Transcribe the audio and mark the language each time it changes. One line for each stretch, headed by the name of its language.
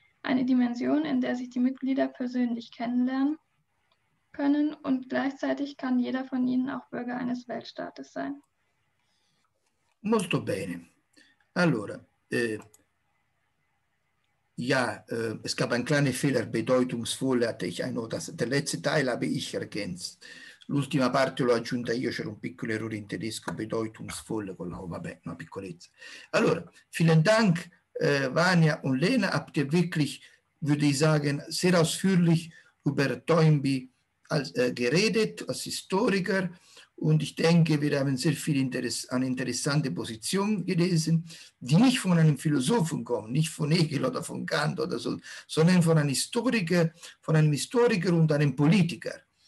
German: Eine Dimension, in der sich die Mitglieder persönlich kennenlernen können und gleichzeitig kann jeder von ihnen auch Bürger eines Weltstaates sein.
Italian: Molto bene. Allora,
German: ja, es gab einen kleinen Fehler, bedeutungsvoll hatte ich ein oder das. Der letzte Teil habe ich ergänzt.
Italian: L'ultima parte l'ho aggiunta io, c'era un piccolo errore in tedesco, bedeutungsvoll, con la, vabbè, una piccolezza. Allora,
German: vielen Dank, Vania und Lena, habt ihr wirklich, würde ich sagen, sehr ausführlich über Toynbee als, geredet, als Historiker. Und ich denke, wir haben sehr viel eine interessante Position gelesen, die nicht von einem Philosophen kommt, nicht von Hegel oder von Kant oder so, sondern von einem Historiker, und einem Politiker.